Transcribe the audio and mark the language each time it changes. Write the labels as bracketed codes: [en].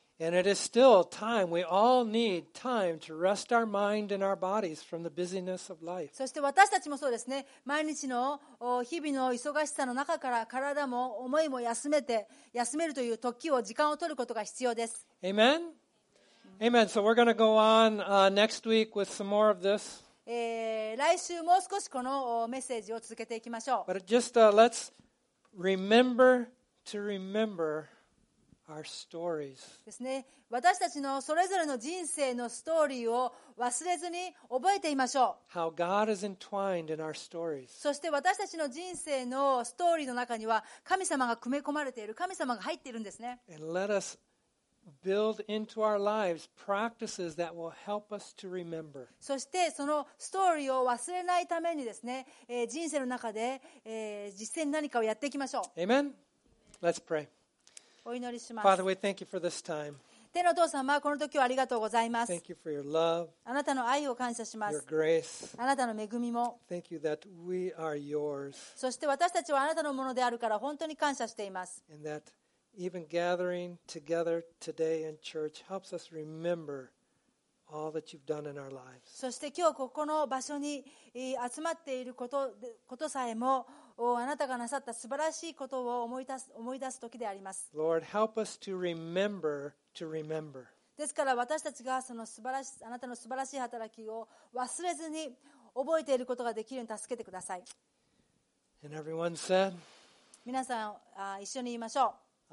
[en] And it is still time. We all need time to rest our mind and our bodies from the busyness of life. [ja] そして私たちもそうですね。毎日の日々の忙しさの中から体も思いも休めるという時間を取ることが必要です。 [en] Amen. Amen. So we're going to go on next week with some more of this. [ja] 来週もう少しこのメッセージを続けていきましょう。 [en] But just, let's remember to remember our stories. [ja] ですね。私たちのそれぞれの人生のストーリーを忘れずに覚えていましょう。 [en] How God is entwined in our stories. [ja] そして私たちの人生のストーリーの中には神様が組み込まれている、神様が入っているんですね。 [en] And let us build into our lives practices that will help us to remember. [ja] そしてそのストーリーを忘れないためにですね、人生の中で、実践何かをやっていきましょう。 [en] Amen. Let's pray. [ja] お祈りします。 [en] Father, we thank you for this time. [ja] 天のお父様、この時をありがとうございます。 [en] Thank you for your love. [ja] あなたの愛を感謝します。 [en] Your grace. [ja] あなたの恵みも。 [en] Thank you that we are yours. [ja] そして私たちはあなたのものであるから本当に感謝しています。 [en] And that. Even gathering together today in church helps us remember all that you've done in our lives. [ja] そして今日ここの場所に集まっていることさえも、あなたがなさった素晴らしいことを思い出す時であります。 [en] Lord, help us to remember to remember. [ja] ですから私たちがその素晴らしい、あなたの素晴らしい働きを忘れずに覚えていることができるように助けてください。 [en] And everyone said, [ja] 皆さん、一緒に言いましょう。